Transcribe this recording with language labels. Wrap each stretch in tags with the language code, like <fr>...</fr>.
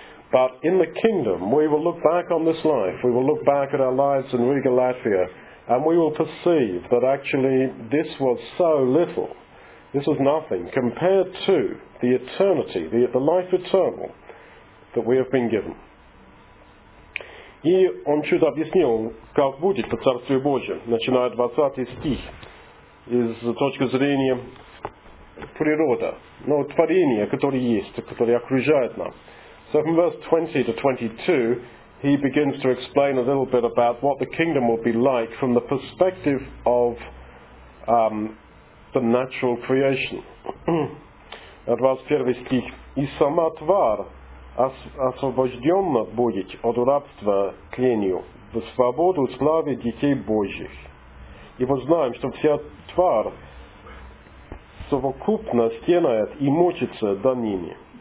<en>But in the kingdom, we will look back on this life. We will look back at our lives in Riga, Latvia, and we will perceive that actually this was so little, this was nothing, compared to the eternity, the life eternal that we have been given.</en> <ru>И он чуть объяснил, как будет по Царствию Божию, начиная 20 стих, из точки зрения природа, ну, творение, которое есть, которое окружает нас.</ru> <en>So from verse 20 to 22, he begins to explain a little bit about what the kingdom will be like from the perspective of the natural creation.</en> <ru>От вас первый стих. И сама тварь освобожденно будет от рабства тлению в свободу славы детей Божьих. И мы знаем, что вся тварь совокупно стенает и мучится до ними.</ru>